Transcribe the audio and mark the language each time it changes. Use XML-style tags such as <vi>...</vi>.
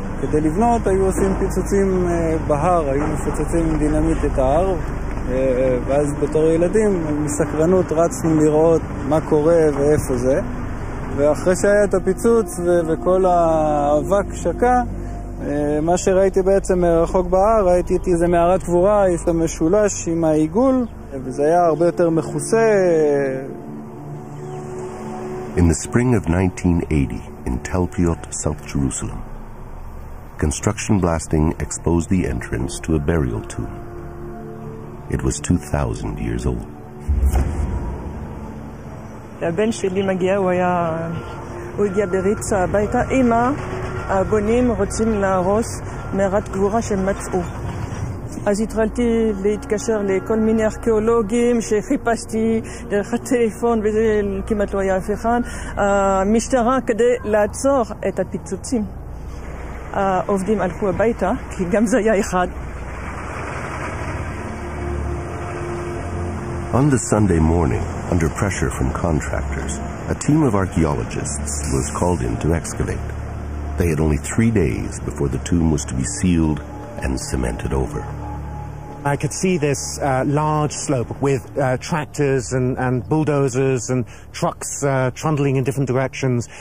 <he>כדי לבנות היו עושים פיצוצים בהר, היו מפוצצים דינמית את ההר, ואז בתור ילדים, מסקרנות, רצנו לראות מה קורה ואיפה זה. ואחרי שהיה את הפיצוץ וכל האבק שקע, מה שראיתי בעצם רחוק בהר, ראיתי את איזה מערת קבורה, איזה משולש עם העיגול, וזה היה הרבה יותר מכוסה.</he> <en>In the spring of 1980, in Tel Piot, South Jerusalem, construction blasting exposed the entrance to a burial tomb. It was 2,000 years old.</en> <he>הבן שלי מגיע, הוא הגיע בריצה הביתה, אמא, הבונים רוצים להרוס מערת קבורה שהם מצאו. אז התחלתי להתקשר לכל מיני ארכיאולוגים שחיפשתי דרך הטלפון וזה כמעט לא היה אף אחד. המשטרה כדי לעצור את הפיצוצים. העובדים הלכו הביתה כי גם זה היה אחד.</he> <en>On the Sunday morning, under pressure from contractors, a team of archaeologists was called in to excavate. They had only 3 days before the tomb was to be sealed and cemented over. I could see this large slope with tractors and bulldozers and trucks trundling in different directions.</en>